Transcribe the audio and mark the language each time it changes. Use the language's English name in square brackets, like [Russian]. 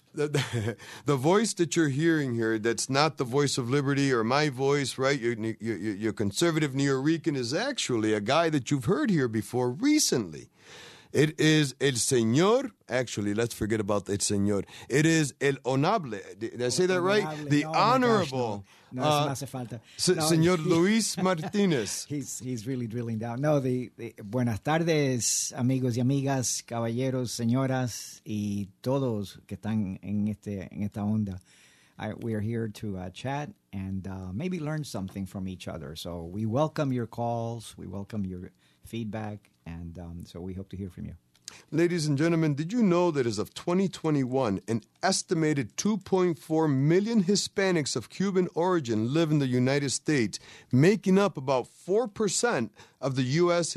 [English] The voice that you're hearing here that's not the voice of liberty or my voice, right, your conservative neo-Rican, is actually a guy that you've heard here before recently. It is el señor. Actually, let's forget about el señor. It is el honorable. Did I say that right? Honorable. The no, honorable. Oh gosh, no. [Spanish] No, eso no hace falta. Señor Luis Martinez. [English] He's really drilling down. [Spanish] No, the buenas tardes, amigos y amigas, caballeros, señoras, y todos que están en esta onda. [English] We are here to chat and maybe learn something from each other. So we welcome your calls. We welcome your feedback. And so we hope to hear from you. Ladies and gentlemen, did you know that as of 2021, an estimated 2.4 million Hispanics of Cuban origin live in the United States, making up about 4% of the U.S.